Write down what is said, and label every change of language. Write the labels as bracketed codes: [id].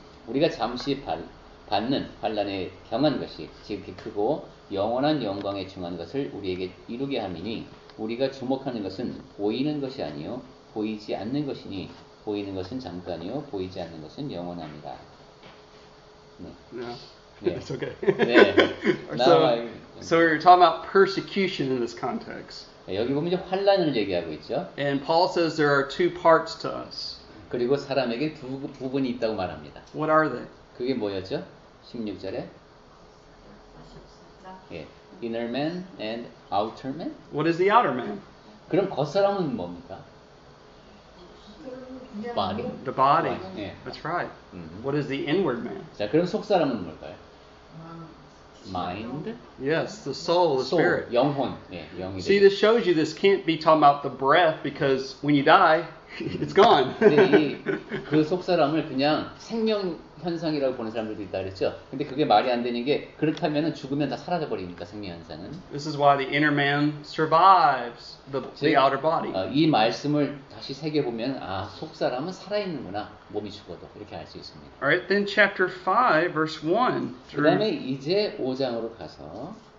[ko] 우리가 잠시 받는 환난에 경한 것이 지극히 크고 영원한 영광에 충한 것을 우리에게 이루게 함이니 우리가 주목하는 것은 보이는 것이 아니요 보이지 않는 것이니 보이는 것은 잠깐이요 보이지 않는 것은 영원합니다. 네. Yeah. Yeah. It's okay. [en] Yeah. So we're talking about persecution in this context. [ko] 여기 보면 이제 환난을 얘기하고 있죠. [en] And Paul says there are two parts to us. [ko] 그리고 사람에게 두 부분이 있다고 말합니다. [en] What are they? [ko] 그게 뭐였죠? 16절에. [en] Yeah. Inner man and outer man. What is the outer man? [ko] 그럼 겉사람은 뭡니까? [en] Body. The body. Yeah. That's right. Mm-hmm. What is the inward man? [ko] 자, 그럼 속사람은 뭘까요? [en] Mind. Yes, the soul, the soul. Spirit. [ko] 영혼. [en] Yeah, [ko] 영이 [en] See, [ko] 되죠. [en] This shows you this can't be talking about the breath because when you die, it's gone. [ko] 그 속사람을 그냥 생명 현상이라고 보는 사람들도 있다 그랬죠. 근데 그게 말이 안 되는 게 그렇다면은 죽으면 다 사라져 버리니까 생명 현상은. [en] This is why the inner man survives the outer body. [ko] 이 말씀을 다시 새겨 보면 아, 속 사람은 살아 있는구나. 몸이 죽어도 이렇게 알 수 있습니다. [en] All right, then chapter 5 verse 1. [ko] 그다음에 이제 5장으로 가서